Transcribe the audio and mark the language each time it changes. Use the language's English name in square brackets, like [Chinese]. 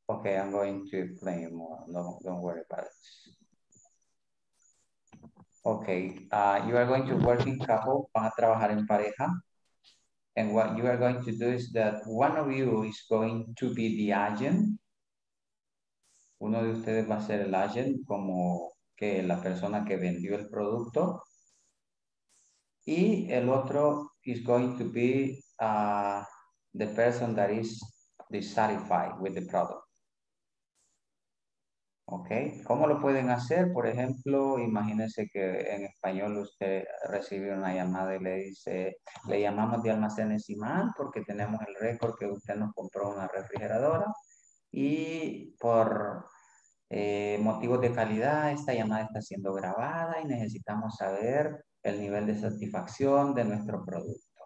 [English] Okay, I'm going to explain more. No, don't worry about it. Okay, you are going to work in couple, [Spanish] van a trabajar en pareja. [English] And what you are going to do is that one of you is going to be the agent. [Spanish] Uno de ustedes va a ser el agent, como que la persona que vendió el producto. Y el otro [English] is going to be the person that is dissatisfied with the product. [Spanish] Okay, ¿cómo lo pueden hacer? Por ejemplo, imagínense que en español usted recibe una llamada y le dice, le llamamos de almacenes Imán porque tenemos el récord que usted nos compró una refrigeradora y por motivos de calidad esta llamada está siendo grabada y necesitamos saber el nivel de satisfacción de nuestro producto.